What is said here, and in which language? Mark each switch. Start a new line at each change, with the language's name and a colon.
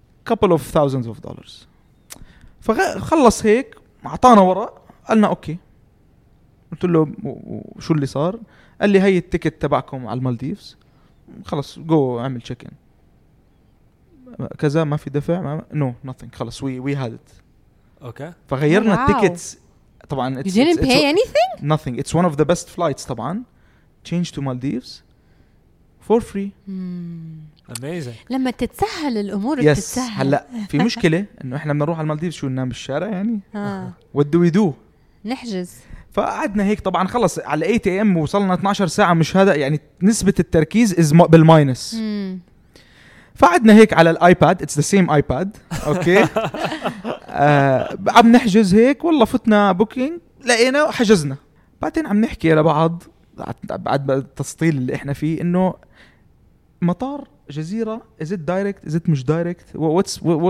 English: couple of thousands of dollars
Arabic: فخلص هيك اعطانا ورق قالنا اوكي قلت له شو اللي صار قال لي هي التيكت تبعكم على المالديفز خلص جو اعمل تشيك ان كذا ما في دفع
English: no nothing
Arabic: خلص وي هاد ات
English: okay
Arabic: فغيرنا التيكتس طبعا
English: It's didn't pay anything nothing it's one of the best flights طبعا change to Maldives for free Amazing.
Arabic: لما تتسهل الأمور yes. تتسهل هلأ في مشكلة إنه إحنا بنروح على المالديف شو ننام بالشارع يعني
English: What do we do
Arabic: نحجز فقعدنا هيك طبعا خلص على 8 AM وصلنا 12 ساعة مش هذا يعني نسبة التركيز is بالماينس فقعدنا هيك على الآيباد
English: It's the same iPad
Arabic: أوكي عم نحجز هيك والله فتنا بوكينج لقينا وحجزنا بعدين عم نحكي لبعض بعد التسطيل اللي إحنا فيه إنه مطار جزيرة
English: is it direct is it
Arabic: مش direct what's